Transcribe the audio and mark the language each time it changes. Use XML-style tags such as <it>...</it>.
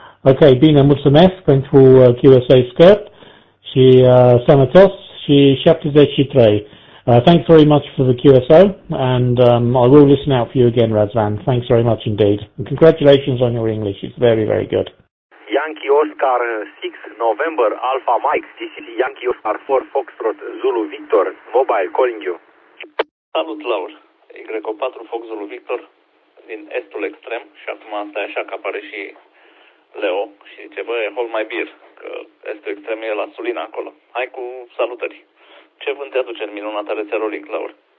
<ro>Okay, bine, mulțumesc pentru QSA scurt și sănătos și 73.</ro> <en>Thanks very much for the QSO, and I will listen out for you again, Razvan. Thanks very much indeed. And congratulations on your English. It's very, very good. Yankee Oscar 6, November, Alpha Mike, this is Yankee Oscar 4, Foxtrot, Zulu Victor, mobile, calling you.</en> <ro>Salut, Laur, Y4, Fox Zulu Victor, din Estul Extrem, și acum asta e așa că apare și Leo, și zice, bă,</ro> <en>hold my beer,</en> <ro>că Estul Extrem e la Sulina acolo. Hai cu salutări. Ce vânt te aduce în minunata rețelă Link, Laur?</ro>